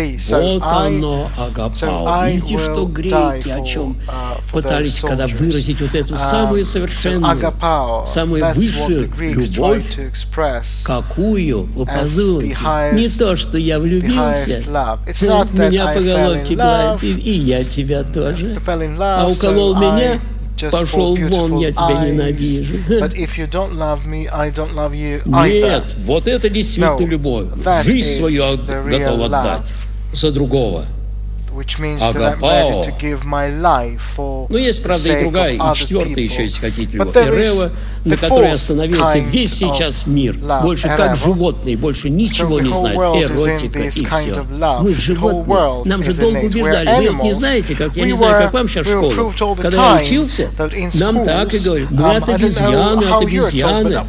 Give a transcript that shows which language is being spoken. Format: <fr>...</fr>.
<ru>Вот оно, агапао. Видите, что греки о чем пытались когда выразить вот эту самую совершенную, самую высшую любовь, какую вы позволите. Не то, что я влюбился, меня по головке гладит, и я тебя тоже. А уколол меня, пошел вон, я тебя ненавижу.</ru> <en>But if you don't love me, I don't love you either.</en> <ru>Нет, вот это действительно любовь. Жизнь свою готов отдать за другого.</ru> <en>Which means that I'm ready to give my life for the sake of other</en> <ru>Но есть, правда, и другая, и четвертая еще, если хотите, любовь. Эрева, на которой остановился весь сейчас мир. Больше как животные, больше ничего не знают. Эротика и все. Мы животные. Нам же долго убеждали. Вы не знаете, как я не знаю, как вам сейчас в школу. Когда я учился, нам так и говорили. Мы от обезьяны, от обезьяны.</ru>